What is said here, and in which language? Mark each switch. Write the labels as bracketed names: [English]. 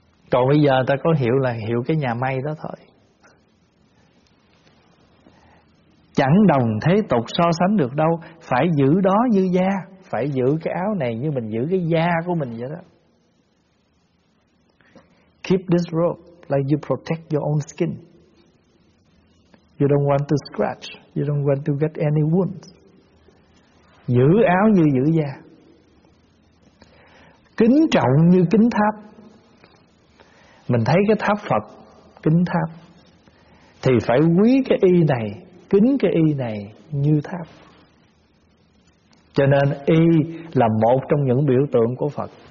[Vietnamese] Còn bây giờ ta có hiệu là hiệu cái nhà may đó thôi. Chẳng đồng thế tục so sánh được đâu. Phải giữ đó như da, phải giữ cái áo này như mình giữ cái da của mình vậy đó. [English] Keep this robe like you protect your own skin. You don't want to scratch. You don't want to get any wounds. [Vietnamese] Giữ áo như giữ da. Kính trọng như kính tháp. Mình thấy cái tháp Phật, kính tháp, thì phải quý cái y này, kính cái y này như tháp. Cho nên y là một trong những biểu tượng của Phật.